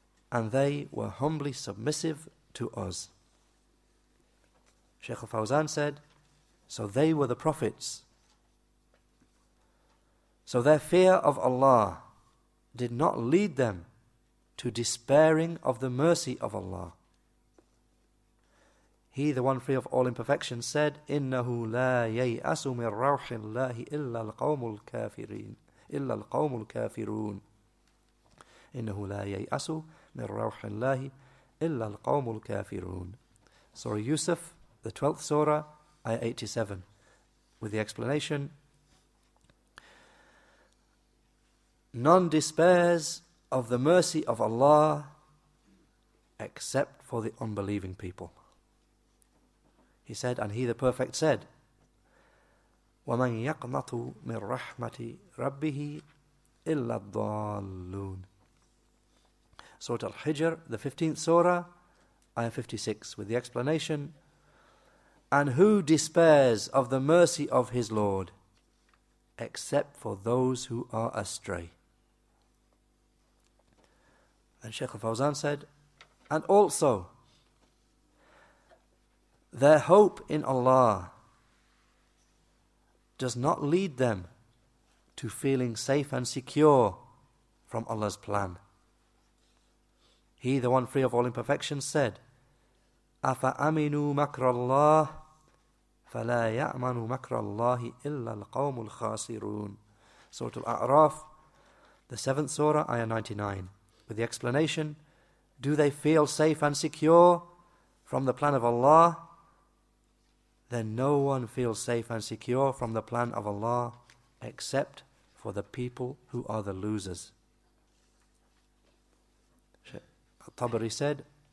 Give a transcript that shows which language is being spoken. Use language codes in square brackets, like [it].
[en] And they were humbly submissive to us. Sheikh Al-Fawzan said, so they were the prophets. So their fear of Allah did not lead them to despairing of the mercy of Allah. He, the one free of all imperfections, said, [ar] إِنَّهُ لَا يَيْأَسُ مِنْ رَوْحِ اللَّهِ إِلَّا الْقَوْمُ الْكَافِرِينَ إِلَّا الْقَوْمُ الْكَافِرُونَ إِنَّهُ لَا يَيْأَسُ مِنْ رَوْحِ اللَّهِ إِلَّا الْقَوْمُ الْكَافِرُونَ. [en] Surah Yusuf, the 12th surah, ayah 87. With the explanation, none despairs of the mercy of Allah except for the unbelieving people. He said, and He the Perfect said, [ar] وَمَنْ يَقْنَطُ مِنْ رَحْمَةِ رَبِّهِ إِلَّا الضَّالُّونَ. [en] Surah Al-Hijr, the 15th surah, ayah 56, with the explanation, and who despairs of the mercy of his Lord except for those who are astray? And Sheikh Al-Fawzan said, and also, their hope in Allah does not lead them to feeling safe and secure from Allah's plan. He, the one free of all imperfections, said, [ar] أَفَأَمِنُوا مَكْرَ اللَّهِ فَلَا يَأْمَنُوا مَكْرَ اللَّهِ إِلَّا الْقَوْمُ الْخَاسِرُونَ. [en] Surah Al-A'raf, the 7th surah, ayah 99. With the explanation, do they feel safe and secure from the plan of Allah? Then no one feels safe and secure from the plan of Allah except for the people who are the losers. Al-Tabari said,